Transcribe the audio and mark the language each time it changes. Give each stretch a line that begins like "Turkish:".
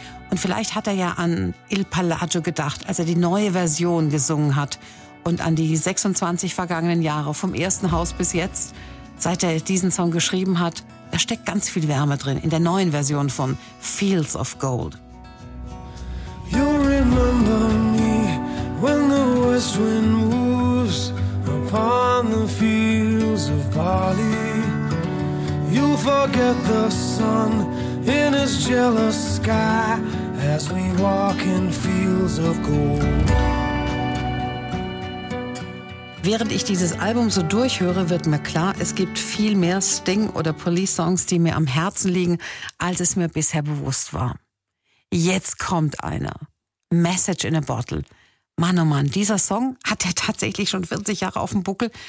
German: Und vielleicht hat er ja an Il Palagio gedacht, als er die neue Version gesungen hat und an die 26 vergangenen Jahre vom ersten Haus bis jetzt. Seit er diesen Song geschrieben hat, da steckt ganz viel Wärme drin in der neuen Version von Fields of Gold.
English: You remember me. When the west wind moves upon the fields of barley, you'll forget the sun in his jealous sky as we walk in fields of gold.
German: Während ich dieses Album so durchhöre, wird mir klar, es gibt viel mehr Sting- oder Police-Songs, die mir am Herzen liegen, als es mir bisher bewusst war. Jetzt kommt einer. Message in a Bottle. Mann, oh Mann, dieser Song hat er tatsächlich schon 40 Jahre auf dem Buckel.